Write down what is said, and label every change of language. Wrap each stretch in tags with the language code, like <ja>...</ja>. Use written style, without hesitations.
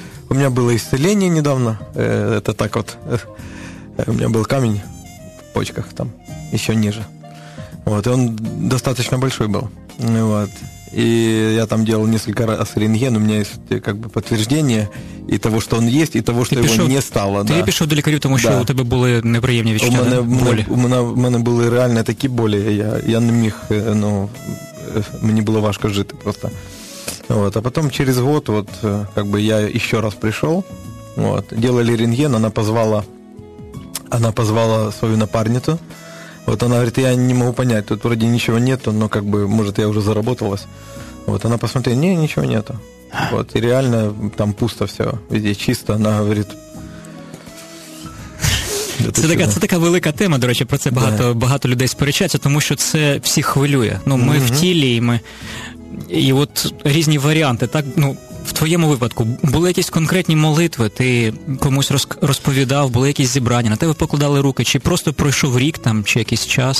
<ru>У меня было исцеление недавно. Это так вот. У меня был камень в почках там, еще ниже. Вот. И он достаточно большой был. Вот. И я там делал несколько раз рентген, у меня есть как бы подтверждение и того, что он есть, и того, что ты его</ru> <uk>пішов,</uk> <ru>не стало. Ты</ru> <uk>пішов до лікаря,</uk> <ru>потому что да. У тебя были</ru> <uk>неприємні відчуття,</uk> <ru>да? Боли.</ru> <uk>У мене були реально такі болі, я не міг, ну, мені було важко жити просто.</uk> <ru>Вот. А потом через год вот, как бы я еще раз пришел, вот, делали рентген, она позвала свою напарницу. Вот она говорит, я не могу понять, тут вроде ничего нету, но как бы, может, я уже заработалась. Вот она посмотрела, не, ничего нету. Вот, и реально там пусто все, везде чисто, она говорит.</ru> <uk>Це така велика тема, до речі, про це багато, да. Багато людей сперечаться, тому що це всіх хвилює. Ну, ми в тілі, і от різні варіанти, так, ну... В твоєму випадку були якісь конкретні молитви, ти комусь розповідав, були якісь зібрання, на тебе покладали руки, чи просто пройшов рік там, чи якийсь час?</uk>